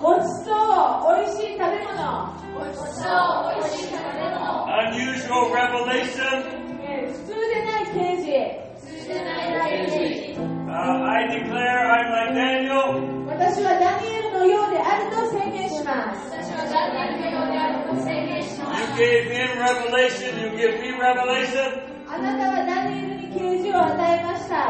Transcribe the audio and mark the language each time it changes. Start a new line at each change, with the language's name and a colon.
Japanese: ごちそう、おいしい食べ物。ごちそう、おいしい食べ物。
English: Unusual revelation.
Japanese: 普通でない啓示。
English: I declare I'm like Daniel.
Japanese: 私はダニエルのようであると宣言します。
English: You gave him revelation, you give me revelation.
Japanese: あなたはダニエルに啓示を与えました。